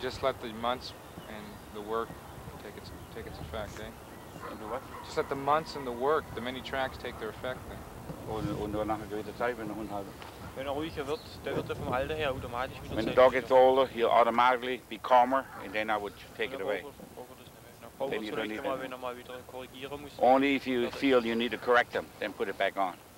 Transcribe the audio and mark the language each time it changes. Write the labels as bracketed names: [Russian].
[English] Just let the months and the work take its effect, eh? And do what? Just let the months and the work, the many tracks, take their effect then. [German] Und nach einer gewissen Zeit, wenn der Hund halt. Wenn ruhiger wird, der wird vom Alter her automatisch wieder. [English] When the dog gets older, he'll automatically be calmer and then I would take it away. Then you don't need it. [German] Wenn er mal wieder korrigieren muss. [English] Only if you feel you need to correct him, then put it back on.